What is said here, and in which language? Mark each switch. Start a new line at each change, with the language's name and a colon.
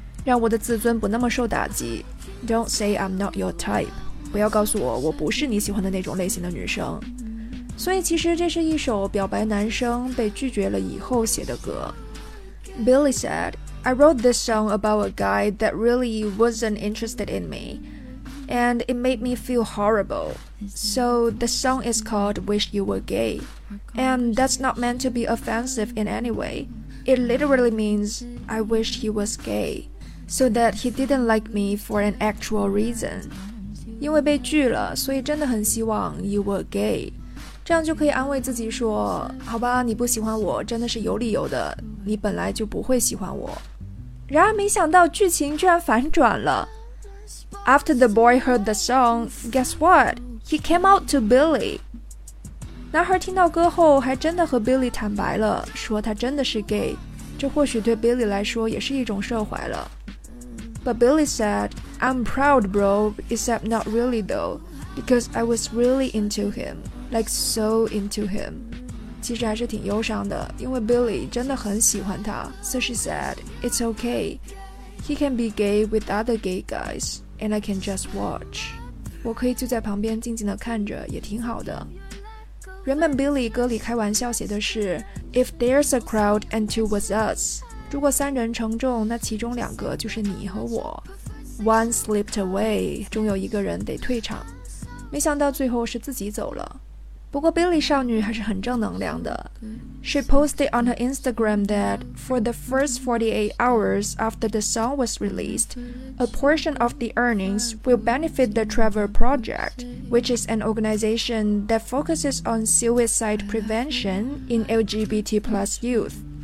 Chinese: 让我的自尊不那么受打击。
English: Don't say I'm not your type.
Chinese: 不要告诉我我不是你喜欢的那种类型的女生。所以其实这是一首表白男生被拒绝了以后写的歌。
English: Billie said, I wrote this song about a guy that really wasn't interested in me, and it made me feel horrible. So the song is called Wish You Were Gay, and that's not meant to be offensive in any way. It literally means I wish he was gay, so that he didn't like me for an actual reason.
Chinese: 因为被拒了，所以真的很希望
English: you were gay.
Chinese: 这样就可以安慰自己说，好吧，你不喜欢我真的是有理由的，你本来就不会喜欢我。然而没想到剧情居然反转了。
English: After the boy heard the song, guess what? He came out to Billy.
Chinese: 男孩听到歌后还真的和 Billy 坦白了，说他真的是 gay, 这或许对 Billy 来说也是一种释怀了。
English: But Billy said, I'm proud bro, except not really though, because I was really into himLike so into him.
Chinese: 其实还是挺忧伤的，因为 Billy 真的很喜欢他。
English: So she said, it's okay. He can be gay with other gay guys, and I can just watch.
Chinese: 我可以就在旁边静静地看着，也挺好的。原本 Billy 歌里开玩笑写的是
English: If there's a crowd and two was us.
Chinese: 如果三人成众，那其中两个就是你和我。
English: One slipped away.
Chinese: 终有一个人得退场。没想到最后是自己走了。不过 Billie 少女还是很正能量的。
English: She posted on her Instagram that for the first 48 hours after the song was released, a portion of the earnings will benefit the Trevor Project, which is an organization that focuses on suicide prevention in LGBT plus youth.